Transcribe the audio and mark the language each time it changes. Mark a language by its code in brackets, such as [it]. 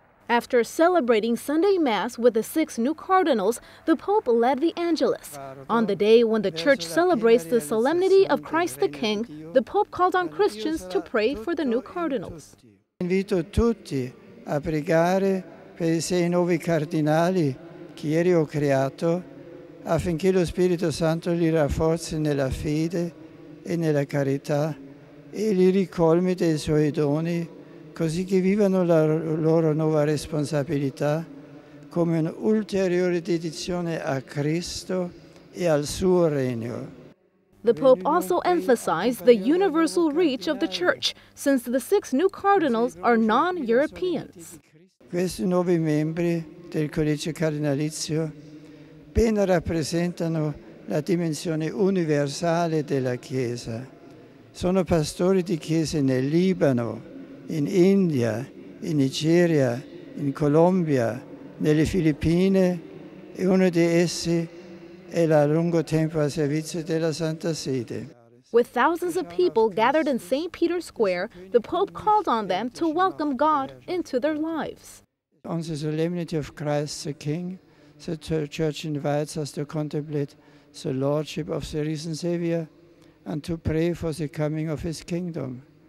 [en] After celebrating Sunday Mass with the six new cardinals, the Pope led the Angelus. On the day when the Church celebrates the solemnity of Christ the King, the Pope called on Christians to pray for the new cardinals. [it] Invito tutti a pregare per i sei nuovi cardinali che ieri ho creato, affinché lo Spirito Santo li rafforzi nella fede e nella carità e li ricolmi dei suoi doni, così che vivano la loro nuova responsabilità come un'ulteriore dedizione a Cristo e al suo regno. [en] The Pope also emphasized the universal reach of the Church, since the six new cardinals are non-Europeans. [it] Questi nuovi membri del Collegio Cardinalizio ben rappresentano la dimensione universale della Chiesa. Sono pastori di chiese nel Libano, in India, in Nigeria, in Colombia, nelle Filippine, e uno di essi è la lungo tempo a servizio della Santa Sede. [en] With thousands of people gathered in St. Peter's Square, the Pope called on them to welcome God into their lives. On the solemnity of Christ the King, the Church invites us to contemplate the Lordship of the risen Savior and to pray for the coming of his kingdom.